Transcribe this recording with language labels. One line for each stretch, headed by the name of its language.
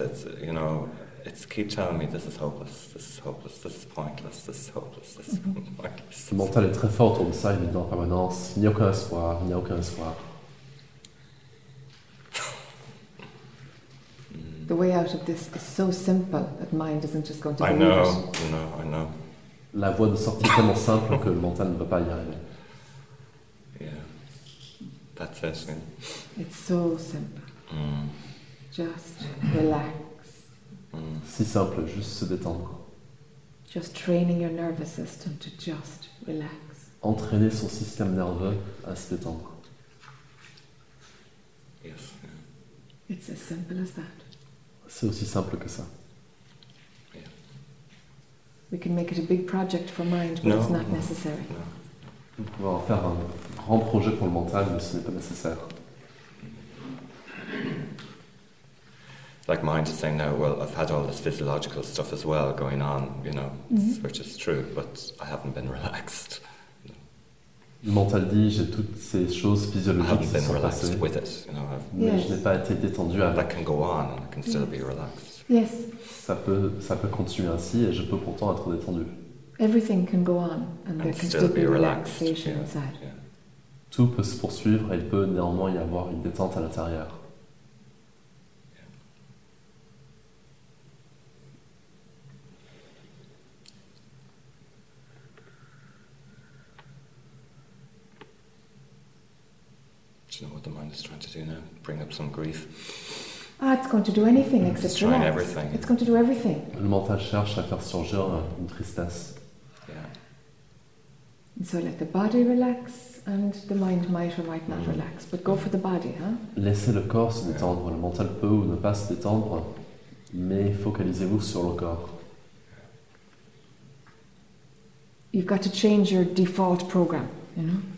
English: It's, you know, it's keep telling me this is hopeless, this is hopeless, this is pointless, this is hopeless, this is pointless.
French: Le mental est très fort autour de ça, il est en permanence. Il n'y a aucun espoir, il n'y a aucun espoir.
English: The way out of this is so simple that mind isn't just going to believe it. I know.
French: La voie de sortie est tellement simple que le mental ne va pas y arriver.
English: Yeah, that's it. It's so simple. Just relax.
French: Si simple, juste se détendre.
English: Just training your nervous system to just relax.
French: Entraîner son système nerveux à se détendre.
English: Yes. It's as simple as that.
French: C'est aussi simple que ça.
English: We can make it a big project for mind, but it's not necessary.
French: On peut en faire un grand projet pour le mental, mais ce n'est pas nécessaire.
English: Like mind is saying now, well, I've had all this physiological stuff as well going on, you know, which is true, but I haven't been relaxed.
French: Le mental dit, j'ai toutes ces choses physiologiques qui se sont passées.
English: With it, you know,
French: mais je n'ai pas été détendu avec.
English: That can go on, and I can still be relaxed. Yes.
French: Ça peut continuer ainsi et je peux pourtant être détendu.
English: Everything can go on and there can still be relaxation inside.
French: Tout peut se poursuivre et il peut néanmoins y avoir une détente à l'intérieur.
English: Do you know what the mind is trying to do now? Bring up some grief. Ah, it's going to do anything except relax. It's trying everything. It's going to do everything.
French: Le mental cherche à faire surgir une tristesse.
English: Yeah. And so let the body relax, and the mind might or might not relax, but go for the body, huh?
French: Laissez le corps se détendre. Le mental peut ou ne pas se détendre, mais focalisez-vous sur le corps.
English: You've got to change your default program, you know?